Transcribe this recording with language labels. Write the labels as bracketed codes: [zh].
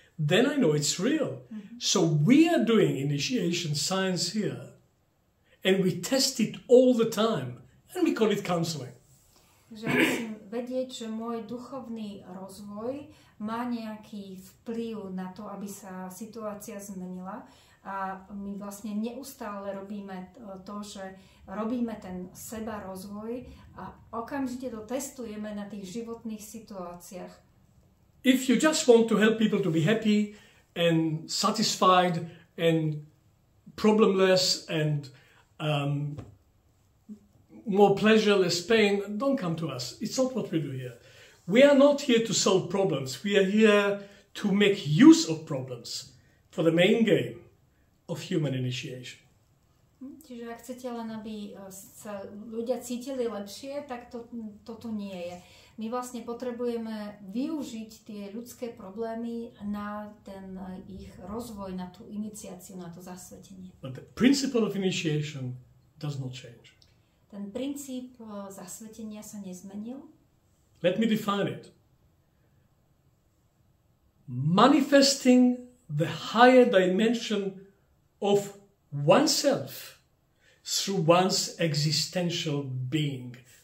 [en] Then I know it's real. So we are doing initiation science here and we test it all the time and we call it counseling. [sk] Vedieť, že môj duchovný rozvoj má nejaký vplyv na to, aby sa situácia zmenila. A my vlastne neustále robíme to, že robíme ten seba rozvoj a okamžite to testujeme na tých životných situáciách. [en] If you just want to help people to be happy and satisfied and problemless and more pleasure, less pain, don't come to us. It's not what we do here. We are not here to solve problems. We are here to make use of problems for the main game of human initiation. [sk] Čiže ak chcete len, aby sa ľudia cítili lepšie, tak toto nie je. My vlastne potrebujeme využiť tie ľudské problémy na ten ich rozvoj, na tú iniciáciu, na to zasvetenie. [en] But the principle of initiation does not change. [sk] Ten princíp zasvetenia sa nezmenil. [en] Let me define it. Manifesting the higher dimension of oneself through one's existential being.